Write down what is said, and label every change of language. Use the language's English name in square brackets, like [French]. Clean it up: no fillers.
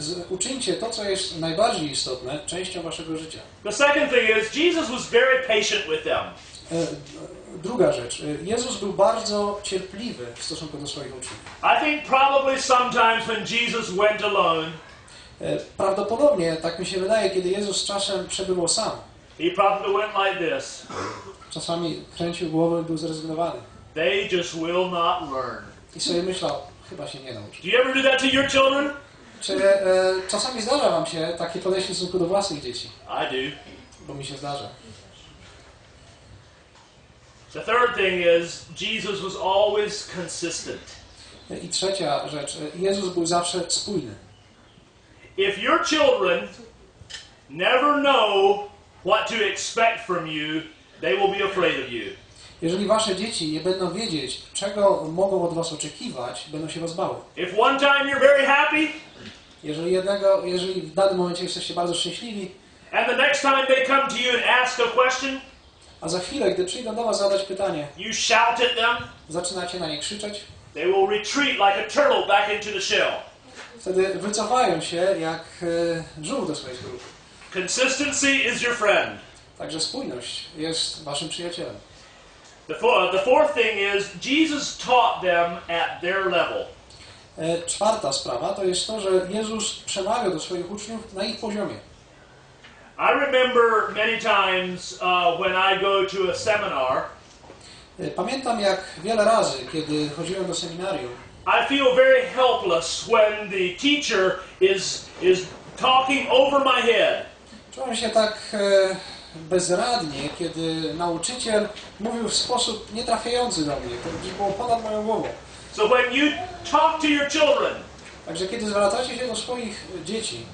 [Polish] Uczyńcie to, co jest najbardziej istotne, częścią waszego życia. [English] The second thing is, Jesus was very patient with them. [Polish] Druga rzecz. Jezus był bardzo cierpliwy w stosunku do swoich uczniów. [English] I think probably sometimes when Jesus went alone, [Polish] prawdopodobnie, tak mi się wydaje, kiedy Jezus czasem przebywał sam, [English] he probably went like this. [Polish] Czasami kręcił głowę i był zrezygnowany. [English] They just will not learn. [Polish] I sobie myślał, chyba się nie nauczy. [English] Do you ever do that to your children? [Polish] Czy czasami zdarza wam się takie podejście w stosunku do własnych dzieci? [English] I do. [Polish] Bo mi się zdarza. [English] The third thing is Jesus was always consistent. [Polish] I trzecia rzecz, Jezus był zawsze spójny. [English] If your children never know what to expect from you, they will be afraid of you. [Polish] Jeżeli wasze dzieci nie będą wiedzieć, czego mogą od was oczekiwać, będą się was bały. [English] If one time you're very happy, [Polish] jeżeli w danym momencie jesteście bardzo szczęśliwi, [English] and the next time they come to you and ask a question, [Polish] a za chwilę, gdy przyjdą do was zadać pytanie, [English] you shout at them, [Polish] zaczynacie na nie krzyczeć. [English] They will retreat like a turtle back into the shell. [Polish] wtedy wycofają się jak żółw do swojej grupy. [English] Consistency is your friend. [Polish] Także spójność jest waszym przyjacielem. [English] The fourth thing is Jesus taught them at their level. [Polish] Czwarta sprawa to jest to, że Jezus przemawiał do swoich uczniów na ich poziomie. [English] I remember many times when I go to a seminar. [Polish] Pamiętam jak wiele razy, kiedy chodziłem do seminarium. [English] I feel very helpless when the teacher is talking over my head. [Polish] Czułem się tak bezradnie, kiedy nauczyciel mówił w sposób nietrafiający do mnie, to było ponad moją głową. [English] So when you talk to your children, [Polish] także kiedy zwracacie się do swoich dzieci,